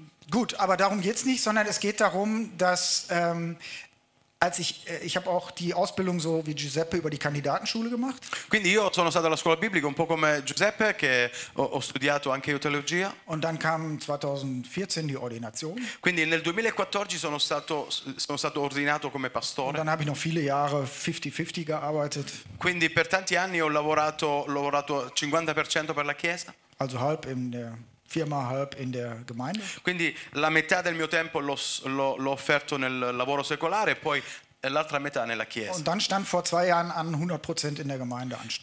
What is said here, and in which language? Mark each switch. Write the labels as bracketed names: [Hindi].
[German] Gut, aber darum geht es nicht, sondern es geht darum, dass ich habe auch die Ausbildung so wie Giuseppe über die Kandidatenschule gemacht. [Italian] Quindi io sono stato alla scuola biblica un po' come Giuseppe che ho studiato anche io teologia. [German] Und dann kam 2014 die Ordination. [Italian] Quindi nel 2014 sono stato ordinato come pastore. [German] Und dann habe ich noch viele Jahre 50-50 gearbeitet. [Italian] Quindi per tanti anni ho lavorato 50% per la chiesa. [German] Also halb in der Firma, halb in der Gemeinde. [Italian] Quindi la metà del mio tempo l'ho offerto nel lavoro secolare e poi l'altra metà nella chiesa. [German] Und dann stand vor zwei Jahren an 100% in der Gemeinde.